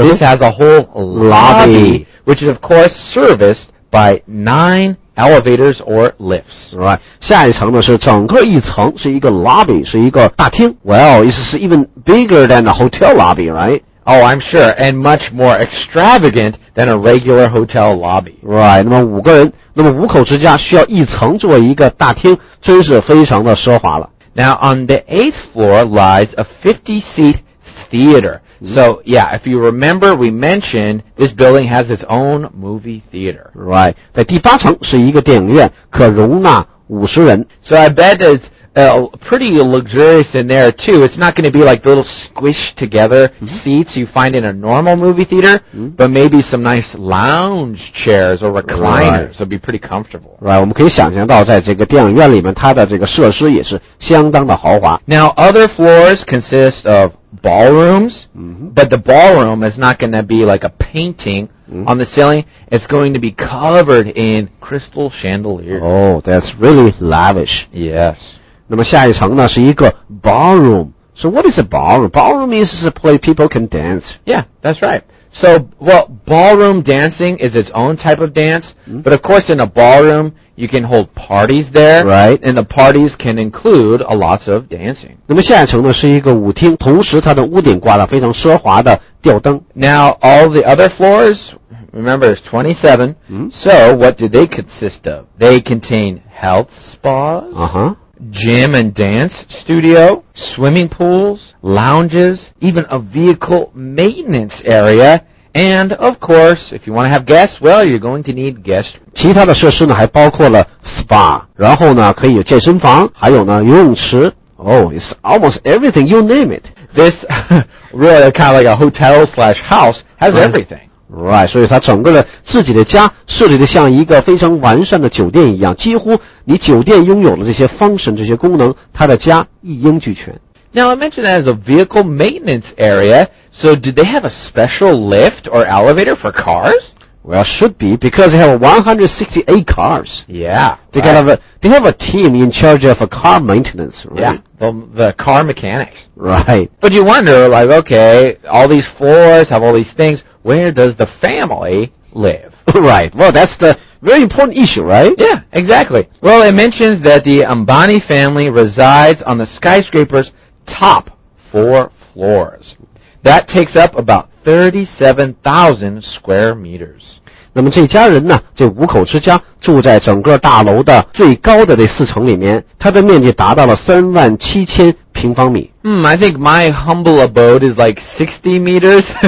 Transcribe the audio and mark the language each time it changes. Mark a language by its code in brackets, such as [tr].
[en] This has a whole lobby, which is, of course, serviced by 9 elevators or lifts. Right. [zh] 下一层呢是整个一层是一个 lobby, 是一个大厅。 [en] Well, it's even bigger than the hotel lobby, right? Oh, I'm sure, and much more extravagant than a regular hotel lobby. Right, [zh] 那么五个人，那么五口之家需要一层做一个大厅，真是非常的奢华了。 [en] Now, on the 8th floor lies a 50-seat theater. So, yeah, if you remember, we mentioned this building has its own movie theater. Right, [zh] 在第八层是一个电影院，可容纳50人。 [en] So I bet it'sPretty luxurious in there too. It's not going to be like the little squished together seats you find in a normal movie theater, but maybe some nice lounge chairs or recliners. Right. It'll be pretty comfortable. Right, [zh] 我们可以想象到在这个电影院里面它的这个设施也是相当的豪华。 [en] Now, other floors consist of ballrooms, but the ballroom is not going to be like a painting on the ceiling. It's going to be covered in crystal chandeliers. Oh, that's really lavish. Yes. [zh] 那么下一层呢是一个 ballroom. [en] So what is a ballroom? Ballroom means it's a place people can dance. Yeah, that's right. So, well, ballroom dancing is its own type of dance. But of course in a ballroom, you can hold parties there. Right. And the parties can include a lots of dancing. [zh] 那么下一层呢是一个舞厅同时它的屋顶挂了非常奢华的吊灯。 [en] Now, all the other floors, remember it's 27. So what do they consist of? They contain health spas. Gym and dance studio, swimming pools, lounges, even a vehicle maintenance area, and of course, if you want to have guests, well, you're going to need guest rooms. [zh] 其他的设施呢还包括了 spa, 然后呢可以有健身房还有呢游泳池 [en] Oh, it's almost everything, you name it. This really kind of like a hotel slash house has everything. Right, [zh] 所以它整个的自己的家设计的像一个非常完善的酒店一样，几乎你酒店拥有的这些 function 这些功能，它的家一应俱全。 [en] Now I mentioned that as a vehicle maintenance area, so do they have a special lift or elevator for cars? Well, should be because they have 168 cars. Yeah, they have a team in charge of a car maintenance. Right? Yeah, the car mechanics. Right, but you wonder, like, okay, all these floors have all these things. Where does the family live. Right. Well, that's the very important issue, right? Yeah, exactly. Well, it mentions that the Ambani family resides on the skyscraper's top four floors. That takes up about 37,000 square meters. [zh] 那么这家人呢，这五口之家住在整个大楼的最高的这四层里面，它的面积达到了37,000平方米。 [en] I think my humble abode is like 60 meters.